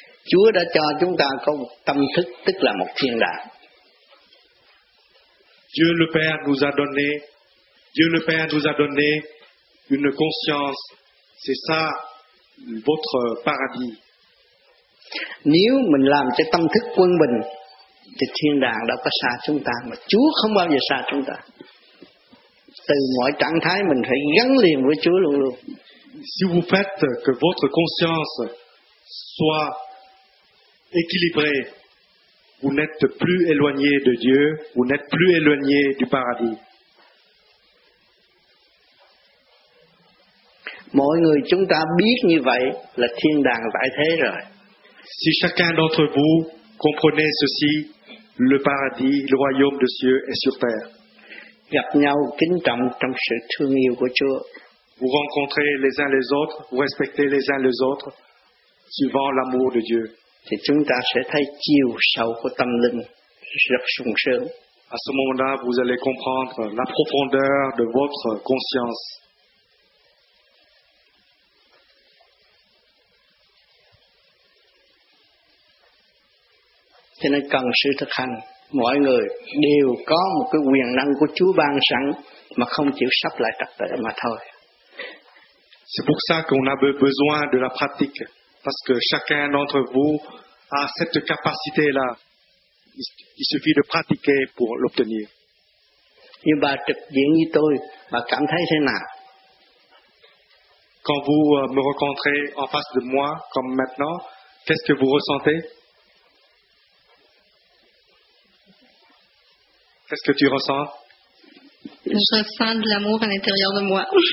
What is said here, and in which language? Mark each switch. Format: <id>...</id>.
<vi>Chúa đã cho chúng ta có một tâm thức, tức là một thiên đàng.</vi> <fr>Dieu le Père nous a donné, Dieu le Père nous a donné une conscience, c'est ça votre paradis.</fr> <vi>Nếu mình làm cho tâm thức quân bình thì thiên đàng đâu có xa chúng ta, mà Chúa không bao giờ xa chúng ta. Từ mọi trạng thái mình phải gắn liền với Chúa luôn luôn.</vi> <fr>Si vous faites que votre conscience soit équilibrée, vous n'êtes plus éloigné de Dieu, vous n'êtes plus éloigné du paradis.</fr> <vi>Mọi người chúng ta biết như vậy là thiên đàng tại thế rồi.</vi> <fr>Si chacun d'entre vous comprenait ceci, le paradis, le royaume des cieux est sur terre.</fr> <vi>Gặp nhau kính trọng trong sự thương yêu của Chúa.</vi> <fr>Vous rencontrez les uns les autres, vous respectez les uns les autres, suivant l'amour de Dieu.</fr> <vi>Thì chúng ta sẽ thấy chiều sâu của tâm linh rất sung sướng.</vi> <fr>À ce moment-là, vous allez comprendre la profondeur de votre conscience.</fr> <vi>Cho nên cần sự thực hành, mọi người đều có một cái quyền năng của Chúa ban sẵn mà không chịu sắp lại trật tự mà thôi.</vi> <fr>C'est pour ça qu'on a besoin de la pratique, parce que chacun d'entre vous a cette capacité là, il suffit de pratiquer pour l'obtenir.</fr> <vi>Nhưng bà trực diện như tôi, bà cảm thấy thế nào?</vi> <fr>Quand vous me rencontrez en face de moi comme maintenant, qu'est-ce que vous ressentez? Qu'est-ce que tu ressens? Je ressens de l'amour à l'intérieur de moi.</fr>